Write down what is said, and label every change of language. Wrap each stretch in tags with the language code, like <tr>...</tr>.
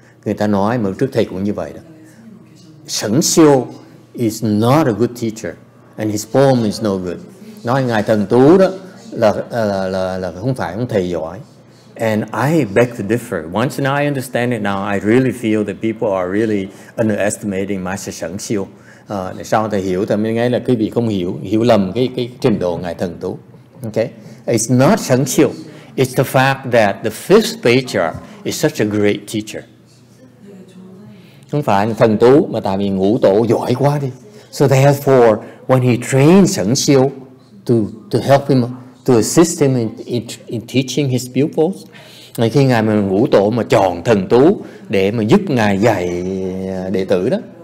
<vi>Người ta nói mà trước thầy cũng như vậy đó.</vi> <en>Sẵn siêu is not a good teacher, and his poem is no good.</en> <vi>Nói ngài thần tú đó. Là không phải ông thầy giỏi.</vi> <en>And I beg to differ. Once now I understand it now, I really feel that people are really underestimating Master Sẵn Siêu.</en> <vi>Sau thầy hiểu thầy mới nghe là quý vị không hiểu, hiểu lầm cái trình độ ngài thần tú.</vi> <en>Okay? It's not Sẵn Siêu. It's the fact that the fifth patriarch is such a great teacher.</en> <vi>Không phải thần tú mà tại vì ngũ tổ giỏi quá đi.</vi> <en>So therefore, when he trained Sẵn Siêu to help him, to assist him in teaching his pupils.</en> <vi>Ngày khi ngài mà ngũ tổ mà chọn thần tú để mà giúp ngài dạy đệ tử đó.</vi>